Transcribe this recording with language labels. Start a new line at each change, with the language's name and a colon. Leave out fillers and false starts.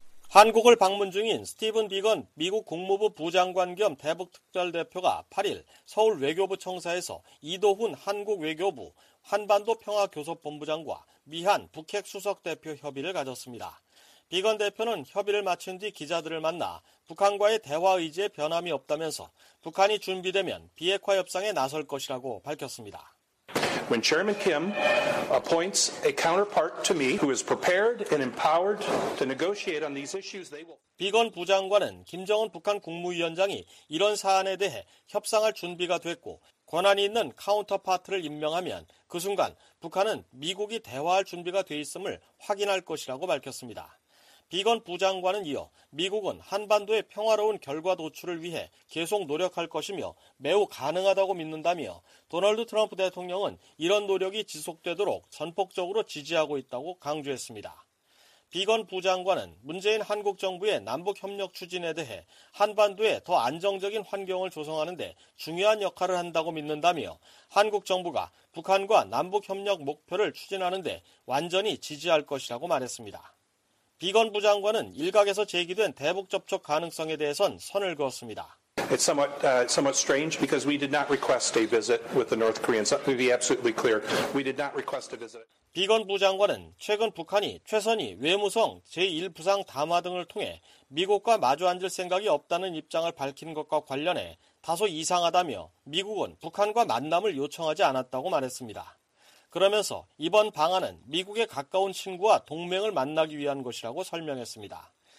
Korean: 한국을 방문 중인 스티븐 비건 미국 국무부 부장관 겸 대북특별대표가 8일 서울 외교부 청사에서 이도훈 한국 외교부 한반도평화교섭본부장과 미한 북핵수석대표 협의를 가졌습니다. 비건 대표는 협의를 마친 뒤 기자들을 만나 북한과의 대화 의지에 변함이 없다면서 북한이 준비되면 비핵화 협상에 나설 것이라고 밝혔습니다.
English: When Chairman Kim appoints a counterpart to me who is prepared and empowered to negotiate on these issues, they will.
Korean: 비건 부장관은 김정은 북한 국무위원장이 이런 사안에 대해 협상할 준비가 됐고 권한이 있는 카운터파트를 임명하면 그 순간 북한은 미국이 대화할 준비가 돼 있음을 확인할 것이라고 밝혔습니다. 비건 부장관은 이어 미국은 한반도의 평화로운 결과 도출을 위해 계속 노력할 것이며 매우 가능하다고 믿는다며 도널드 트럼프 대통령은 이런 노력이 지속되도록 전폭적으로 지지하고 있다고 강조했습니다. 비건 부장관은 문재인 한국 정부의 남북협력 추진에 대해 한반도에 더 안정적인 환경을 조성하는 데 중요한 역할을 한다고 믿는다며 한국 정부가 북한과 남북협력 목표를 추진하는 데 완전히 지지할 것이라고 말했습니다. 비건 부장관은 일각에서 제기된 대북 접촉 가능성에 대해선 선을 그었습니다.
English: It's somewhat strange because we did not request a visit with the North Koreans. Let me be absolutely clear. We did not request a visit.
Korean: 비건 부장관은 최근 북한이 최선희 외무성 제1부상 담화 등을 통해 미국과 마주 앉을 생각이 없다는 입장을 밝힌 것과 관련해 다소 이상하다며 미국은 북한과 만남을 요청하지 않았다고 말했습니다. 그러면서 이번 방안은 미국의 가까운 친구와 동맹을 만나기 위한 것이라고 설명했습니다.